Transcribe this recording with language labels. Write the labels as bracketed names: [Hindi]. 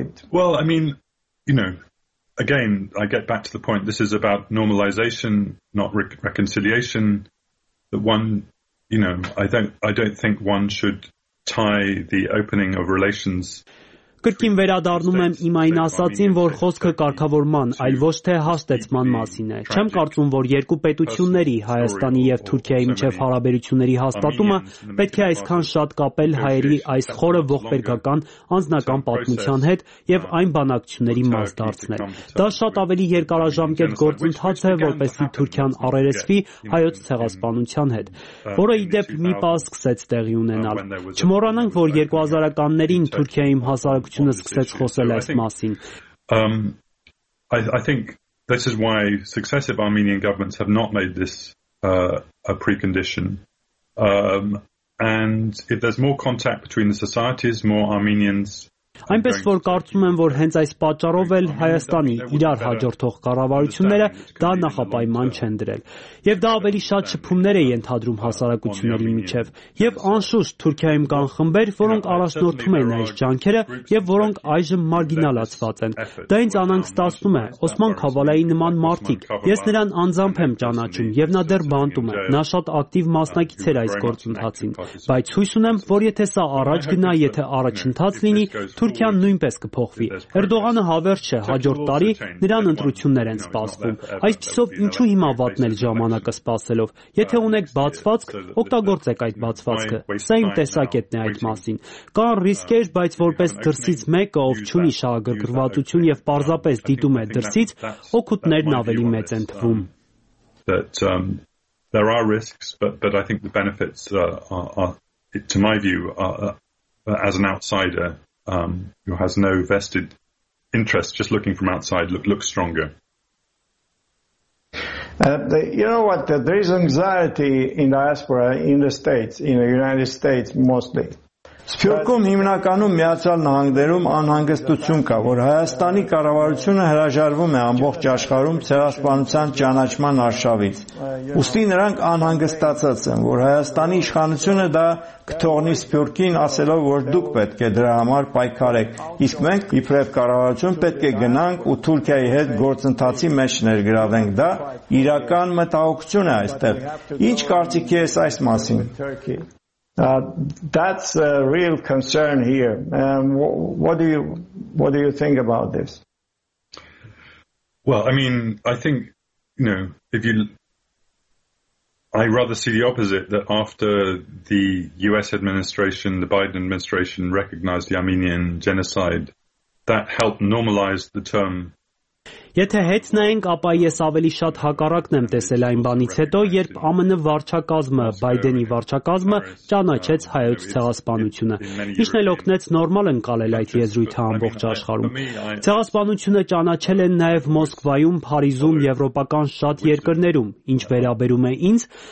[English] Well, I mean, again, I get back to the point, this is about normalization, not reconciliation. That one, I don't think one should tie the opening of relations [Armenian] Կրկին վերադառնում եմ իմ այն ասացին, որ խոսքը կարգավորման, այլ ոչ թե հաստեցման մասին է։ Չեմ կարծում, որ երկու պետությունների, Հայաստանի եւ Թուրքիայի միջև հարաբերությունների հաստատումը պետք է այսքան շատ կապել հայերի այս խորը ողբերգական անձնական պատմության հետ եւ այն բանակցությունների մաս դարձնել։ Դա շատ ավելի երկարաժամկետ գործընթաց է, որպեսզի Թուրքիան առերեսվի հայոց ցեղասպանության հետ, որը ի դեպ մի պահ սկսեց տեղի ունենալ։ Չմոռանանք, որ 2000-ականներին Թուրքիայի հասարակությունը սկսեց խոսել այս մասին։ [English] I think this is why successive Armenian governments have not made this a precondition. And if there's more contact between the societies, more Armenians. [Armenian] Այնպես որ կարծում եմ, որ հենց այս պատճառով էլ Հայաստանի իրար հաջորդող կառավարությունները դա նախապայման չեն դրել։ Եվ դա ավելի շատ շփումներ է ենթադրում հասարակությունների միջև։ Եվ անշուշտ Թուրքիայում կան խմբեր, որոնք առաջնորդում են այս ջանքերը և որոնք այժմ մարգինալացված են։ Դա ինձ անհանգստացնում է, Օսման Քավալայի նման մարդիկ։ Ես նրան անձամբ եմ ճանաչում և նա դեռ բանտում է։ Նա շատ ակտիվ մասնակից էր այս գործընթացին, բայց հույս ունեմ, որ եթե սա առաջ գնա, եթե առաջընթաց լինի, Թուրքիան նույնպես կփոխվի։ Էրդողանը հավերժ չէ, հաջորդ տարի նրան ընտրություններ են սպասվում։ Այս պիսով ինչու հիմա վատնել ժամանակը սպասելով։ Եթե ունեք բացվածք, օգտագործեք այդ բացվածքը։ Սա իմ տեսակետն է այդ մասին։ Կան ռիսկեր, բայց որպես դրսից մեկը, ով չունի շահագրգռվածություն և պարզապես դիտում է դրսից, օգուտներն ավելի մեծ են թվում։ [English] There are risks, but I think the benefits are to my view as an outsider who has no vested interest, just looking from outside, looks stronger. You know what? There is anxiety in diaspora in the States, in the United States mostly. [Armenian] Սփյուռքում հիմնականում միացյալ նահանգներում անհանգստություն կա, որ Հայաստանի կառավարությունը հրաժարվում է ամբողջ աշխարհում ցեղասպանության ճանաչման արշավից։ Ուստի նրանք անհանգստացած են, որ Հայաստանի իշխանությունը դա կթողնի Սփյուռքին, ասելով, որ դուք պետք է դրա համար պայքարեք, իսկ մենք իբրև կառավարություն պետք է գնանք ու Թուրքիայի հետ գործընթացի մեջ ներգրավենք։ Դա իրական մտահոգություն է այստեղ։ Ինչ կարծիքի ես այս մասին։ [English] That's a real concern here. What do you think about this? Well, I mean, I think, you know, I rather see the opposite, that after the US administration, the Biden administration recognized the Armenian genocide, that helped normalize the term. [Armenian] Եթե հետ նայենք, ապա ես ավելի շատ հակառակն եմ տեսել այն բանից հետո, երբ ԱՄՆ վարչակազմը, Բայդենի վարչակազմը ճանաչեց հայոց ցեղասպանությունը, ինչն էլ օգնեց նորմալ ընկալել այդ եզրույթը ամբողջ աշխարհում։ Ցեղասպանությունը ճանաչել են նաև Մոսկվայում, Փարիզում, եվրոպական շատ երկրներում։ Ինչ վերաբերում է ինձ,